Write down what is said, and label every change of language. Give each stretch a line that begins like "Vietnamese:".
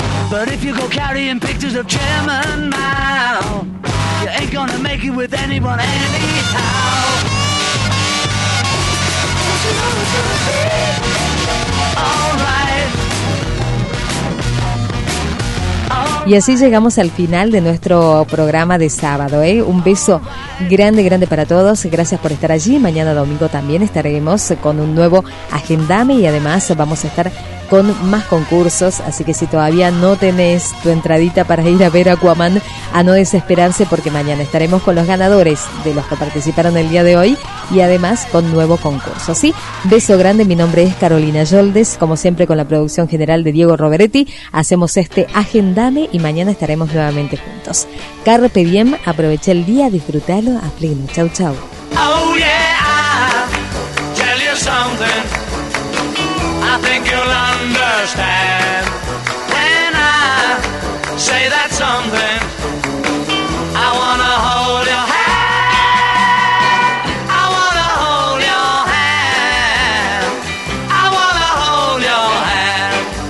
English: But if you go carrying pictures of Chairman Mao, you ain't gonna make it with anyone anyhow. Don't you know it's gonna be alright?
Spanish: Y así llegamos al final de nuestro programa de sábado, ¿eh? Un beso grande, grande para todos. Gracias por estar allí. Mañana domingo también estaremos con un nuevo Agendame y además vamos a estar con más concursos. Así que si todavía no tenés tu entradita para ir a ver Aquaman, a no desesperarse porque mañana estaremos con los ganadores de los que participaron el día de hoy y además con nuevo concurso, ¿sí? Beso grande. Mi nombre es Carolina Yoldes. Como siempre, con la producción general de Diego Roberetti, hacemos este Agendame y mañana estaremos nuevamente juntos.
Latin: Carpe diem,
Spanish: aproveché el día, disfrútalo a pleno. Chau, chau.
English: Oh, yeah, tell you something. I think you'll understand when I say that something. I wanna hold your hand. I wanna hold your hand. I wanna hold your hand.